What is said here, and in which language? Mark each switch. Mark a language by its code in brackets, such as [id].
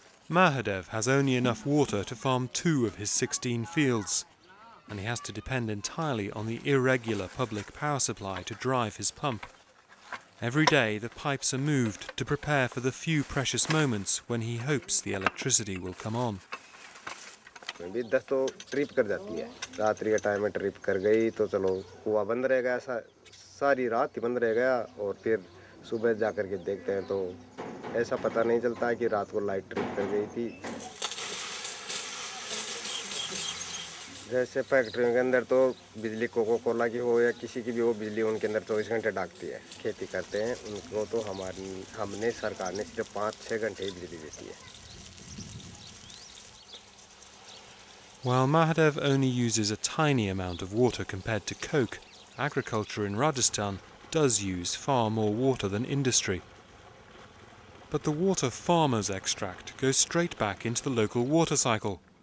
[en] Mahadev has only enough water to farm 2 of his 16 fields. And he has to depend entirely on the irregular public power supply to drive his pump. Every day, the pipes are moved to prepare for the few precious moments when he hopes the electricity will come on. Maybe that's to trip [hi] कर जाती है. रात के time में trip कर गई तो चलो कुआं बंद रहेगा ऐसा सारी रात ही बंद रहेगा और फिर सुबह जाकर के देखते हैं तो ऐसा पता नहीं चलता है कि रात को लाइट ट्रिप कर गई थी. जैसे फैक्ट्रियों के अंदर तो बिजली कोको कोला की हो या किसी की भी वो बिजली उनके अंदर 24 घंटे डाकती है खेती करते हैं उनको तो हमने सरकार ने सिर्फ 5-6 घंटे ही बिजली देती है [en] While Mahadev only uses a tiny amount of water compared to Coke, agriculture in Rajasthan does use far more water than industry. But the water farmers extract goes straight back into the local water cycle.